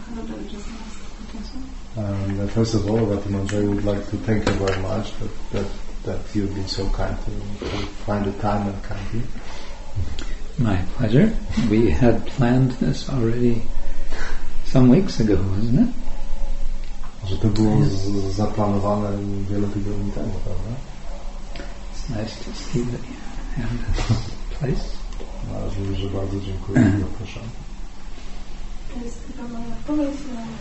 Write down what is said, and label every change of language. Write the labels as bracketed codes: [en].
[en] First of all, Rati Manjari would like to thank you very much that you've been so kind to find the time and come here. My pleasure. We had planned this already some weeks ago, wasn't it? [pl] Że to było zaplanowane wiele tygodni temu, prawda? [en] It's nice to see that you have this place. [pl] Że bardzo dziękuję i zapraszam. To jest chyba moja odpowiedź na